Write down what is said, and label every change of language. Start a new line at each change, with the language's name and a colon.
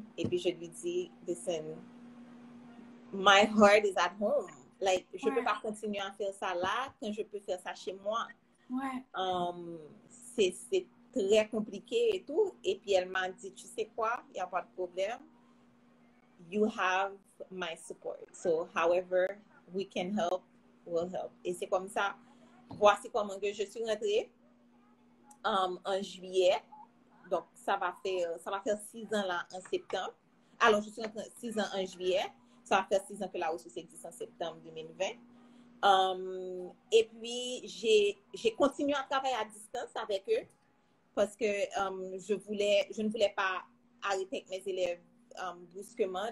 French: Et puis je lui dis,
English: listen, my heart is at home.
French: Like, je ne peux pas continuer à faire ça là quand je peux faire ça chez moi. Ouais. C'est très compliqué et tout. Et puis elle m'a dit, tu sais quoi, il n'y a pas de problème.
English: You have my support. So, however we can help, we'll help.
French: Et c'est comme ça. Voici comment que je suis rentrée en juillet. Donc, ça va faire 6 ans là en septembre. Alors, je suis rentrée 6 ans en juillet. Ça va faire 6 ans que la ressource existe en septembre 2020. Et puis, j'ai continué à travailler à distance avec eux parce que je ne voulais pas arrêter avec mes élèves brusquement.